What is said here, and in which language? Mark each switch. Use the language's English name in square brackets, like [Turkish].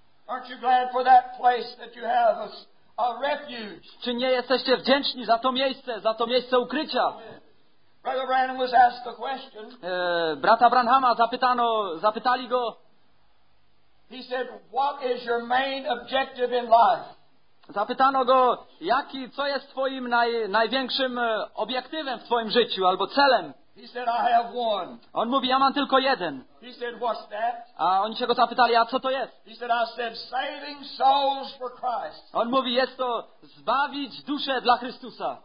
[English] Aren't you glad for that place that you have a refuge? [Polish] Czy nie jesteście wdzięczni za to miejsce ukrycia? [English] Brother Branham was asked the question. [Polish] Brata Branhama zapytali go. [English] He said, "What is your main objective in life?" [Polish] Zapytano go, co jest twoim największym obiektywem w twoim życiu, albo celem. [English] He said, I have one. [Polish] On mówi, ja mam tylko jeden. [English] He said, what's that? [Polish] A oni się go zapytali, a co to jest? [English] He said, I said, saving souls for Christ. [Polish] On mówi, jest to zbawić duszę dla Chrystusa.